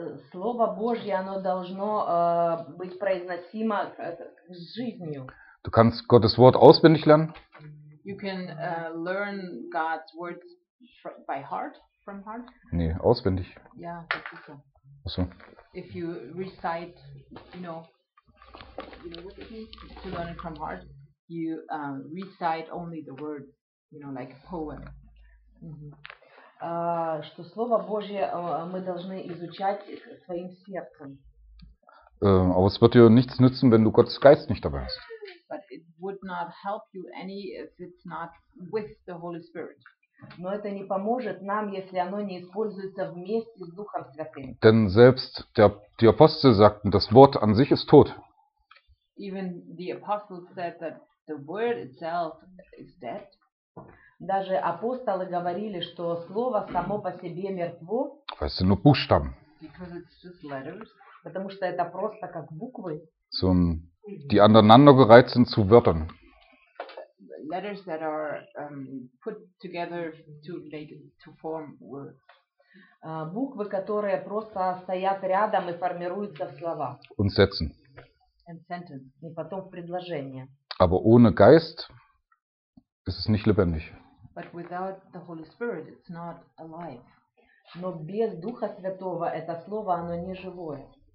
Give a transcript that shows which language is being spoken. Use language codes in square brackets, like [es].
[ru] Слово Божье, оно должно быть произносимо с жизнью. [de] Du kannst Gottes Wort auswendig lernen. [en] You can learn God's words by heart, from heart. [de] Nee, auswendig. Ja, das ist so. Achso. [en] If you recite, you know what it means to learn it from heart, you recite only the word, you know, like a poem. Mm-hmm. [ru] Что Слово Божье мы должны изучать своим сердцем. [de] Aber es wird dir nichts nützen, wenn du Gottes Geist nicht dabei hast. [en] But it would not help you any if it's not with the Holy Spirit. [ru] Но это не поможет нам, если оно не используется вместе с Духом Святым. [de] Denn selbst die Apostel sagten, das Wort an sich ist tot. [en] Even the apostles said that the word itself is dead. [ru] Даже апостолы говорили, что слово само по себе мертво. [de] Weil es nur Buchstaben. [en] Because it's just letters. [ru] Потому что это просто как буквы. [de] So, die aneinandergereiht sind zu Wörtern. [en] Letters that are put together to form words. [ru] Буквы, которые просто стоят рядом и формируются в слова. [de] Und Sätzen. [en] And sentence. [ru] И потом в предложение. [de] Aber ohne Geist ist es nicht lebendig. [en] But without the Holy Spirit, it's not alive. [ru] Но без Духа Святого это слово, оно не живое.